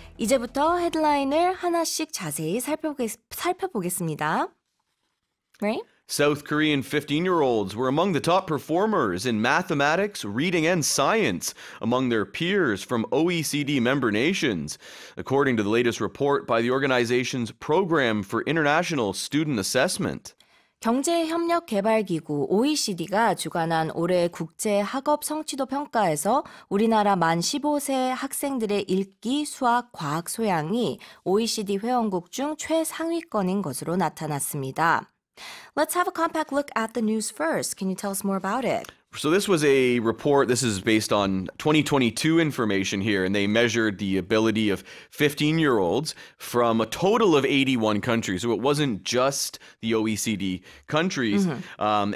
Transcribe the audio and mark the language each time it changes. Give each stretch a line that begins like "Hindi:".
Korean: 이제부터 헤드라인을 하나씩 자세히 살펴보겠습니다.
English: Right? South Korean 15-year-olds were among the top performers in mathematics, reading, and science among their peers from OECD member nations, according to the latest report by the organization's Program for International Student Assessment.
Korean: 경제협력개발기구 OECD가 주관한 올해 국제학업성취도 평가에서 우리나라 만 15세 학생들의 읽기, 수학, 과학 소양이 OECD 회원국 중 최상위권인 것으로 나타났습니다.
English: Let's have a compact look at the news first. Can you tell us more about it? So this was a report, this is based on 2022 information here, and they measured the ability of 15-year-olds from a total of 81 countries. So it wasn't just the OECD countries. Mm-hmm.